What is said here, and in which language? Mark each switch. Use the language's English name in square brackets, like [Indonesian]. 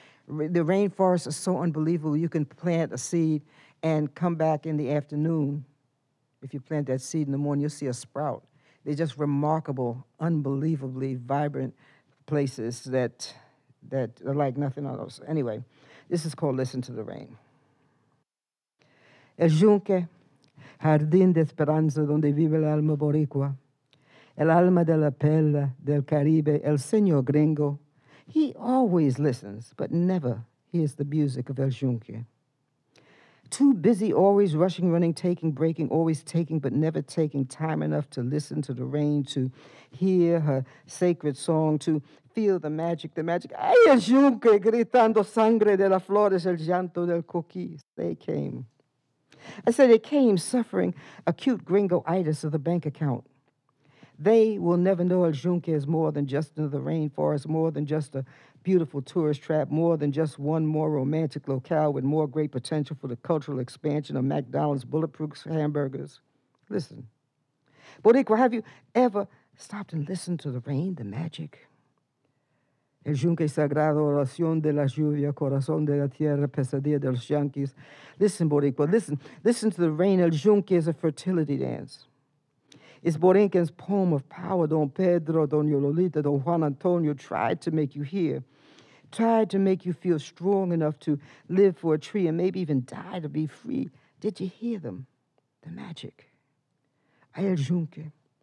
[English] The rainforests are so unbelievable. You can plant a seed and come back in the afternoon. If you plant that seed in the morning, you'll see a sprout. They're just remarkable, unbelievably vibrant places that are like nothing else. Anyway, this is called Listen to the Rain. [Spanish] El Junque, jardín de esperanza donde vive el alma boricua, el alma de la perla del Caribe, el señor gringo. [English] He always listens, but never hears the music of El Junque. Too busy, always rushing, running, taking, breaking, always taking, but never taking time enough to listen to the rain, to hear her sacred song, to feel the magic. [Spanish] Ay, El Junque, gritando sangre de las flores, el llanto del coquís. [English] They came. I said they came suffering acute gringo-itis of the bank account. They will never know El Junque is more than just another rainforest, more than just a beautiful tourist trap, more than just one more romantic locale with more great potential for the cultural expansion of McDonald's bulletproof hamburgers. Listen. Boricua, have you ever stopped and listened to the rain, the magic? [Spanish] El Junque sagrado, oración de la lluvia, corazón de la tierra, pesadilla de los yanquis. [English] Listen, Boricua, listen. Listen to the rain. El Junque is a fertility dance. It's Borinquen's poem of power. Don Pedro, Don Yololita, Don Juan Antonio tried to make you hear, tried to make you feel strong enough to live for a tree and maybe even die to be free. Did you hear them? The magic. Ay, El Junque.